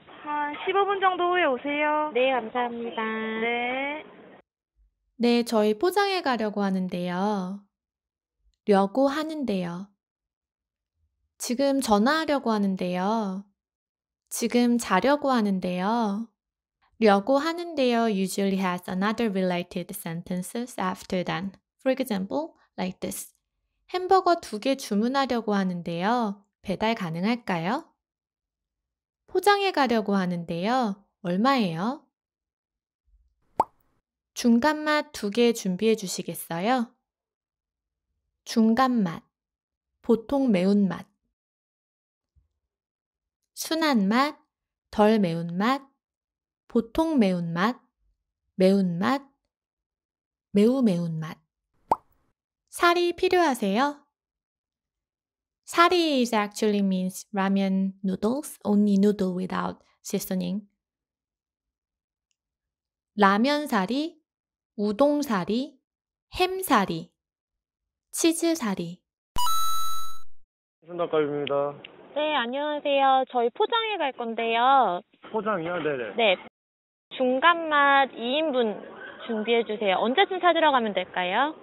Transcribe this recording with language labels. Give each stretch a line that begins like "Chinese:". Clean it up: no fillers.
Korean: 한 15분 정도 후에 오세요. 네, 감사합니다. 네. 네, 저희 포장해 가려고 하는데요. 려고 하는데요. 지금 전화하려고 하는데요. 지금 자려고 하는데요. 려고 하는데요
English: usually has another related sentences after them. For example, like this.
Korean: 햄버거 두개 주문하려고 하는데요. 배달 가능할까요? 포장해 가려고 하는데요. 얼마예요? 중간맛 두개 준비해 주시겠어요? 중간맛. 보통 매운맛. 순한맛. 덜 매운맛. 보통 매운맛. 매운맛. 매우 매운맛. 살이 필요하세요?
English: 사리 is actually means ramen noodles, only noodle without seasoning.
Korean: 라면 사리? 우동사리, 햄사리, 치즈사리. 순덕갈비입니다. 네, 안녕하세요. 저희 포장에 갈 건데요. 포장이요? 네네. 네. 중간맛 2인분 준비해 주세요. 언제쯤 찾으러 가면 될까요?